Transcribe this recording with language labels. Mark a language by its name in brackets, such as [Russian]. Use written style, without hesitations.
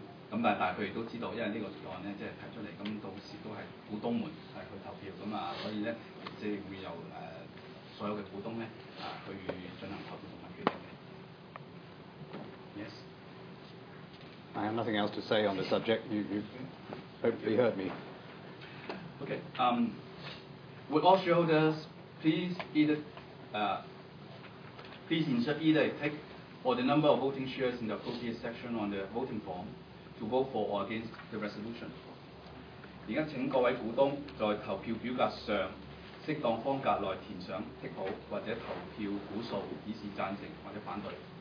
[Cantonese] 咁但係佢亦都知道，因為呢個議案咧即係提出嚟，咁到時都係股東們係去投票咁啊，所以咧即係會由所有嘅股東咧去進行投票同埋決定嘅。 [English] Yes。 I have nothing else to say on the subject. You hopefully heard me. Okay. Would all shareholders please insert either a tick or the number of voting shares in the appropriate section on the voting form to vote for or against the resolution. [Cantonese] 現在請各位股東在投票表格上適當方格內填上 tick 號或者投票股數，以示贊成或者反對。